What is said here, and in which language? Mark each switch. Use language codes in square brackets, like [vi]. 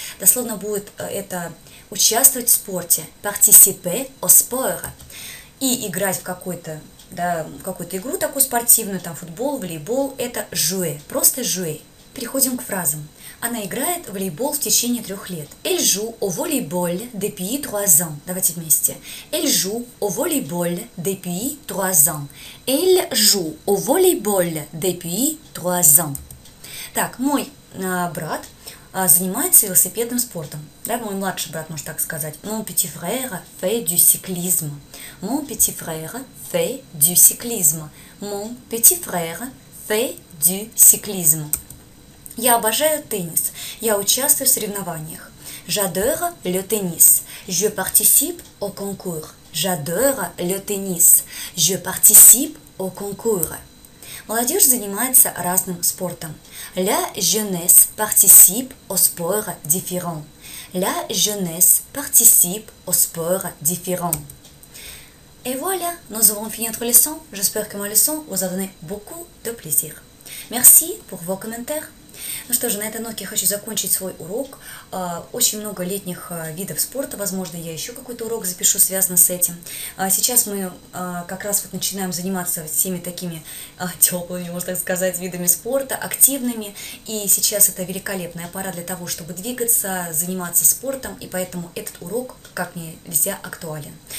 [ru] Дословно будет это участвовать в спорте. [fr] Participer au sport. [ru] И играть в какой-то, да, в какую-то игру такую спортивную, там футбол, волейбол, это jouer, просто jouer. Переходим к фразам. Она играет в волейбол в течение 3 лет. [fr] Elle joue au volleyball depuis 3 ans. [ru] Давайте вместе. [fr] Elle joue au volleyball depuis 3 ans. Elle joue au volleyball depuis 3 ans. [ru] Так, мой брат занимается велосипедным спортом. Да, мой младший брат, может так сказать. [fr] Mon petit frère fait du cyclisme. Mon petit frère fait du cyclisme. Mon petit frère fait du cyclisme. [ru] Я обожаю теннис. Я участвую в соревнованиях. [fr] J'adore le tennis. Je participe au concours. J'adore le tennis. Je participe au concours. [ru] Молодежь занимается разным спортом. [fr] La jeunesse participe aux sports différents. La jeunesse participe aux sports différents. Et voilà, nous avons fini notre leçon. J'espère que ma leçon vous a donné beaucoup de plaisir. Merci pour vos commentaires. [ru] Ну что же, на этой ноте хочу закончить свой урок. Очень много летних видов спорта, возможно, я еще какой-то урок запишу, связанный с этим. Сейчас мы как раз вот начинаем заниматься всеми такими теплыми, можно так сказать, видами спорта, активными. И сейчас это великолепная пора для того, чтобы двигаться, заниматься спортом, и поэтому этот урок как нельзя актуален.